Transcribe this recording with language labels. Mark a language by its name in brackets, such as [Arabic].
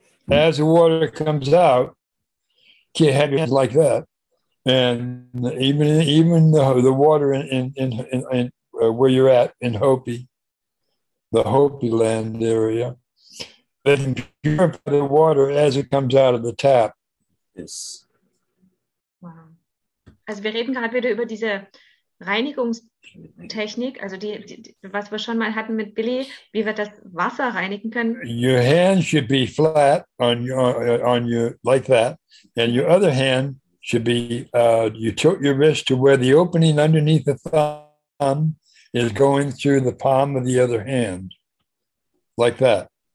[English] As the water comes out, you can't have your hands like that. And even the water in where you're at in Hopi, the Hopi land area, they can purify the water as it comes out of the tap. Yes. [German] Also wir reden gerade wieder über diese Reinigungstechnik, also die was wir schon mal hatten mit Billy, wie wir das Wasser reinigen können. [English] Your hand should be flat on your like that, and your other hand should be you tilt your wrist to where the opening underneath the thumb is going through the palm of the other hand, like that.